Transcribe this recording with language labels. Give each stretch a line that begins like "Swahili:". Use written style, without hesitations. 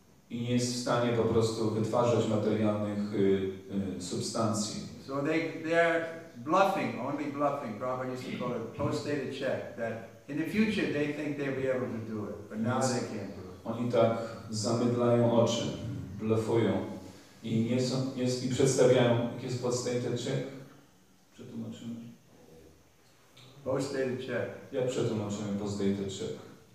Polish: i nie jest w stanie po prostu wytwarzać materialnych substancji.
English: So they are bluffing, only bluffing. Prabhupada used to call it post-dated check, that in the future they think they'll be able to do it, but now they can't do it.
Polish: Oni tak zamydlają oczy, blefują i nie przedstawiają, jak jest
English: post-dated check.
Polish: Przetłumaczymy.
English: Post-dated check.
Polish: Jak przetłumaczymy
English: post-dated check?